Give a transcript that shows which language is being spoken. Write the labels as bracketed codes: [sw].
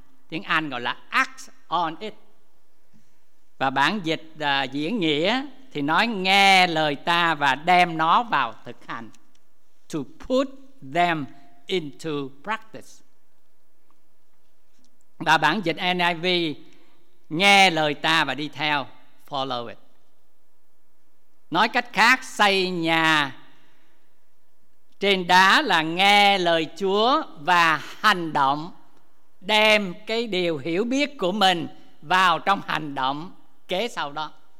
[vi] Tiếng Anh gọi là [en] act on it. [vi] Và bản dịch diễn nghĩa thì nói nghe lời ta và đem nó vào thực hành. [en] To put them into practice. [vi] Và bản dịch NIV, nghe lời ta và đi theo, [en] follow it. [vi] Nói cách khác, xây nhà trên đá là nghe lời Chúa và hành động, đem cái điều hiểu biết của mình vào trong hành động kế sau đó.